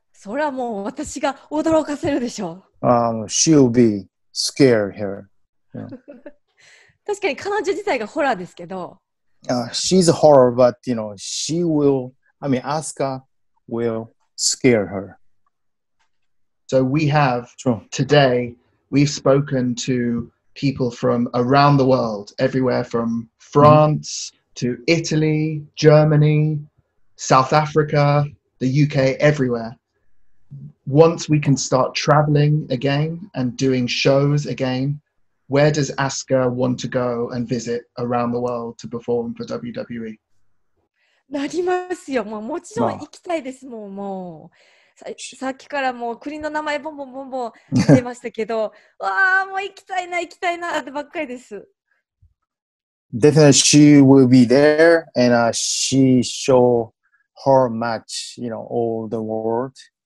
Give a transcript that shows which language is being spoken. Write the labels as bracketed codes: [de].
[ja] それはもう私が驚かせるでしょう。 [en] She'll be scared here. Yeah. [ja] 確かに彼女自体がホラーですけど。 [en] She's a horror, but she will, Asuka will scare her. So we have, today, we've spoken to people from around the world, everywhere from France to Italy, Germany, South Africa, the UK, everywhere. Once we can start traveling again and doing shows again, where does Asuka want to go and visit around the world to perform for WWE? [ja] なりますよ。もうもちろん行きたいです。もうもう。さっきからもう国の名前ボンボンボンボン出ましたけど、わあもう行きたいな行きたいなってばっかりです。 [en] Definitely she will be there and she show her match, all the world.